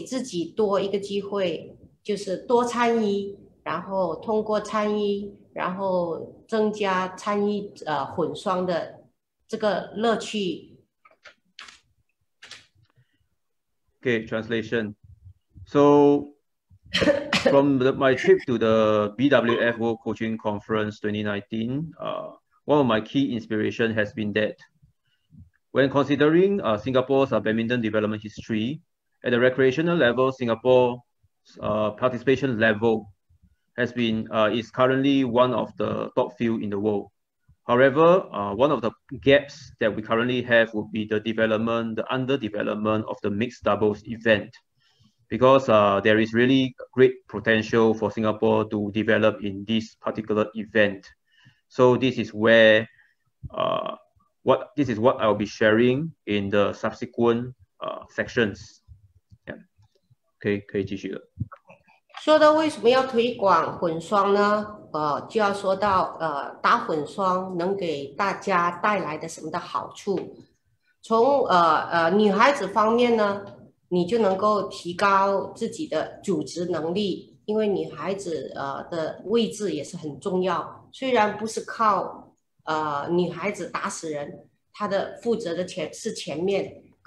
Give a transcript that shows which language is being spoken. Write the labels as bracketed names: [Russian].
[Chinese] 和所有的计划都是没有的，因此这一次呢，就是通过了这个工作坊给我的那个启发，就是希望回到来能够在本地开始推广混双的这个项目，让更多的羽球爱好者了解混双的打法，给自己多一个机会。就是多参与，然后通过参与，然后增加参与混双的这个乐趣。Okay, [English] translation. So, from my trip to the BWF World Coaching Conference 2019, one of my key inspiration has been that when considering Singapore's badminton development history, at the recreational level, Singapore participation level has been is currently one of the top few in the world. However, one of the gaps that we currently have would be the development, the underdevelopment of the mixed doubles event, because there is really great potential for Singapore to develop in this particular event. So this is where what I'll be sharing in the subsequent sections. Okay, [Chinese] 可以继续了。说到为什么要推广混双呢？就要说到打混双能给大家带来的什么的好处。从女孩子方面呢，你就能够提高自己的组织能力，因为女孩子的位置也是很重要。虽然不是靠女孩子打死人，她的负责的是前面。